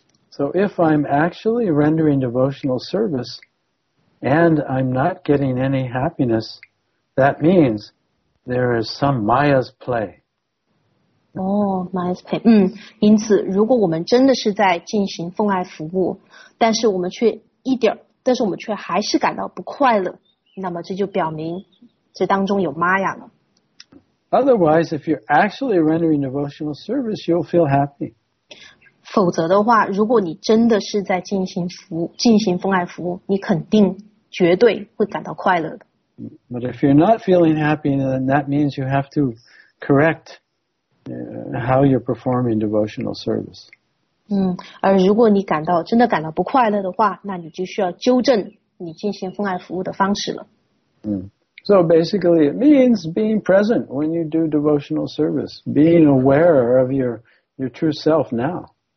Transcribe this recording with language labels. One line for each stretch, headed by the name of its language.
English: So if I'm actually rendering devotional service, and I'm not getting any happiness, that means there is some Maya's play.
Chinese: 哦
English: ，nice pay。
Chinese: 嗯，因此，如果我们真的是在进行奉爱服务，但是我们却一点，但是我们却还是感到不快乐，那么这就表明这当中有玛雅了。
English: Otherwise, if you're actually rendering devotional service, you'll feel happy.
Chinese: 否则的话，如果你真的是在进行服务，进行奉爱服务，你肯定绝对会感到快乐的。
English: But if you're not feeling happy, then that means you have to correct how you're performing devotional service.
Chinese: 而如果你感到真的感到不快乐的话，那你就需要纠正你进行奉爱服务的方式了。
English: So basically, it means being present when you do devotional service, being aware of your true self now.